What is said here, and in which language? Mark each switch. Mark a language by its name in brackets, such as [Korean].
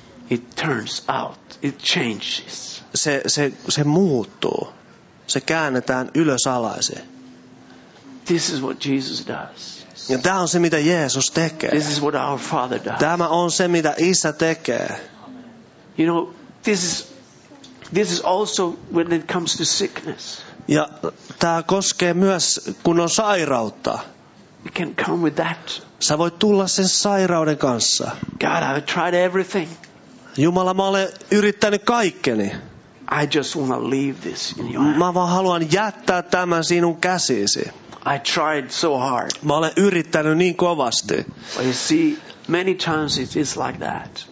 [English] It turns out, it changes. [Finnish] Se muuttuu. Se käännetään ylösalaisin. [English] This is what Jesus does. [Finnish] Ja tämä on se, mitä Jeesus tekee. [English] This is what our Father does. [Finnish] Tämä on se, mitä Isä tekee. [English] You know, this is also when it comes to sickness. [Finnish] Ja tämä koskee myös, kun on sairautta. [English] It can come with that. [Finnish] Sä voit tulla sen sairauden kanssa. [English] God, I've tried everything. [Finnish] Jumala, mä olen yrittänyt kaikkeni. [English] I just wanna leave this in your hands. [Finnish] Mä vaan haluan jättää tämän sinun käsiisi. [English] I tried so hard. [Finnish] Mä olen yrittänyt niin kovasti. [English] Well, you see, many times it is like that.